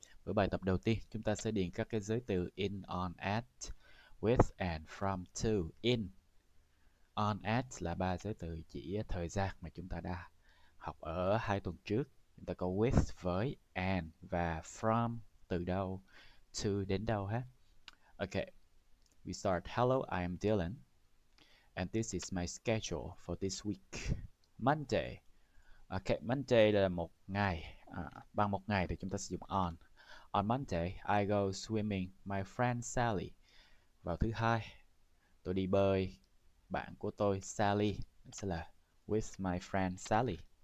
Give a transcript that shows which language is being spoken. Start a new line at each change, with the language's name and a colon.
Vietnamese: Với bài tập đầu tiên, chúng ta sẽ điền các cái giới từ in, on, at, with and from to. In, on, at là ba giới từ chỉ thời gian mà chúng ta đã học ở hai tuần trước. Chúng ta có with với and và from từ đâu, to đến đâu ha.
English: Ok. We start. Hello, I am Dylan. And this is my schedule for this week.
Vietnamese: Monday. Okay, Monday là một ngày. Bằng một ngày thì chúng ta sử dụng on.
English: On Monday, I go swimming my friend Sally.
Vietnamese: Vào thứ hai, tôi đi bơi bạn của tôi Sally. Sẽ là
English: with my friend Sally.